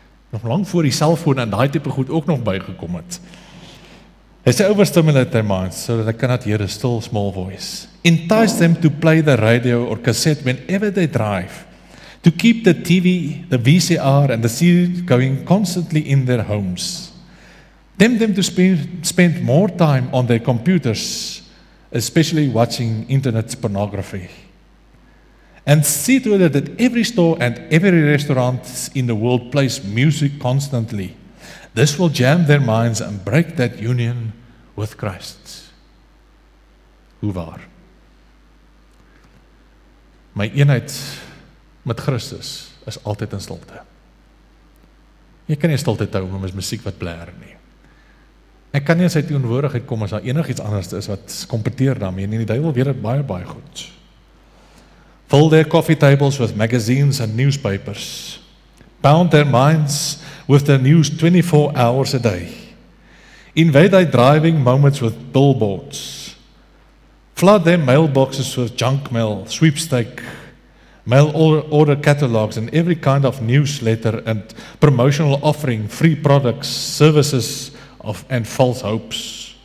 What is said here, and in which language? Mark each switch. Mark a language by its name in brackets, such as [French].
[Afrikaans] Nog lang voor die selfoon en die type goed ook nog bygekom het. Hy sê, [English] overstimulate their minds, so that they cannot hear a still small voice. Entice them to play the radio or cassette whenever they drive. To keep the TV, the VCR and the CD going constantly in their homes. Tempt them to spend more time on their computers, especially watching internet pornography. And see to it that every store and every restaurant in the world plays music constantly. This will jam their minds and break that union with Christ. [Afrikaans] Hoe waar? My eenheid met Christus is altyd in stilte. Jy kan nie stilte hou met musiek wat blaar nie. Ek kan nie in sy teenwoordigheid kom as daar enigiets anders is wat kompeteer daarmee nie. Die duivel weet dit baie, baie goed. [English] Fill their coffee tables with magazines and newspapers. Pound their minds with the news 24 hours a day. Invade their driving moments with billboards. Flood their mailboxes with junk mail, sweepstake, mail order catalogs and every kind of newsletter and promotional offering, free products, services of and false hopes.